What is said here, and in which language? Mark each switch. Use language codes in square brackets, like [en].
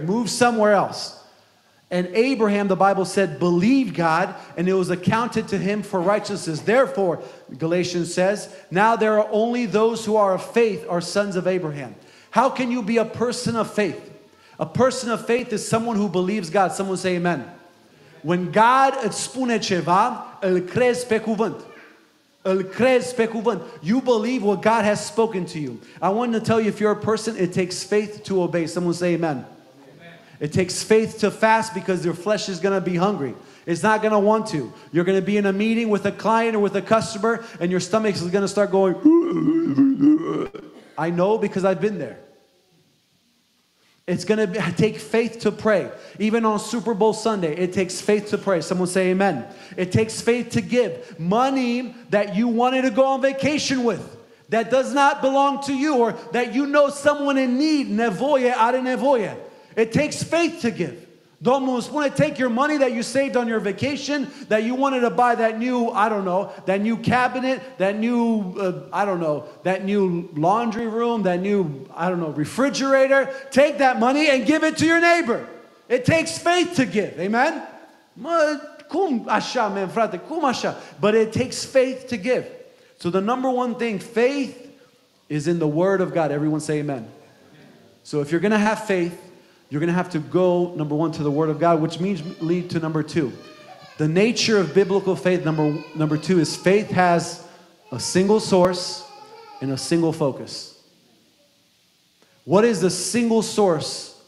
[en] Move somewhere else. And Abraham, the Bible said, believed God, and it was accounted to him for righteousness. Therefore, Galatians says, now there are only those who are of faith are sons of Abraham. How can you be a person of faith? A person of faith is someone who believes God. Someone say amen. When [ro] God îți spune ceva, îl crezi pe cuvânt. Îl crezi pe cuvânt. [en] You believe what God has spoken to you. I want to tell you, if you're a person, it takes faith to obey. Someone say amen. It takes faith to fast because your flesh is going to be hungry. It's not going to want to. You're going to be in a meeting with a client or with a customer, and your stomach is going to start going. I know because I've been there. It's going to take faith to pray. Even on Super Bowl Sunday, it takes faith to pray. Someone say amen. It takes faith to give money that you wanted to go on vacation with, that does not belong to you, or that you know someone in need. [ro] Nevoie are nevoie. [en] It takes faith to give. [ro] Domnul spune, [en] take your money that you saved on your vacation, that you wanted to buy that new, I don't know, that new cabinet, that new, that new laundry room, that new, refrigerator. Take that money and give it to your neighbor. It takes faith to give. Amen? [ro] Cum așa, man, frate, cum așa? [en] But it takes faith to give. So the number one thing, faith is in the Word of God. Everyone say amen. So if you're going to have faith, you're going to have to go, number one, to the Word of God, which means lead to number two. The nature of biblical faith, number two, is faith has a single source and a single focus. What is the single source